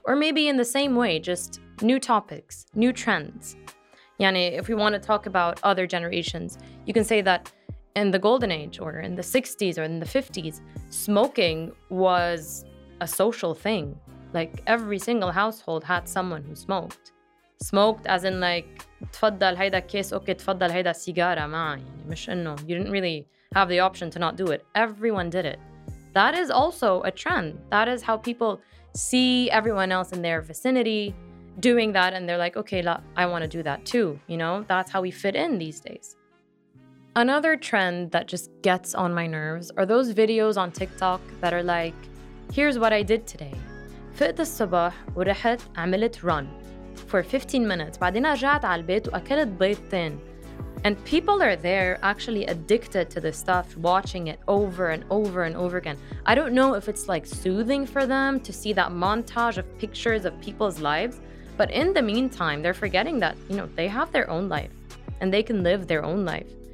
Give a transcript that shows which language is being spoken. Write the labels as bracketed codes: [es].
[en] Or maybe in the same way, just new topics, new trends. Yani, if we want to talk about other generations, you can say that in the golden age or in the 60s or in the 50s, smoking was a social thing. Like, every single household had someone who smoked. Smoked as in like, [ar] تفضل هيدا كيس اوكي تفضل هيدا سيجارة معي. مش انه, [en] you didn't really have the option to not do it. Everyone did it. That is also a trend. That is how people see everyone else in their vicinity doing that, and they're like, okay, I want to do that too. You know, that's how we fit in these days. Another trend that just gets on my nerves are those videos on TikTok that are like, here's what I did today. [ar] فقت الصباح ورحت عملت [en] run for 15 minutes. [ar] بعدين رجعت على البيت وأكلت بيضتين. [en] And people are there actually addicted to this stuff, watching it over and over and over again. I don't know if it's like soothing for them to see that montage of pictures of people's lives. But in the meantime, they're forgetting that, you know, they have their own life and they can live their own life.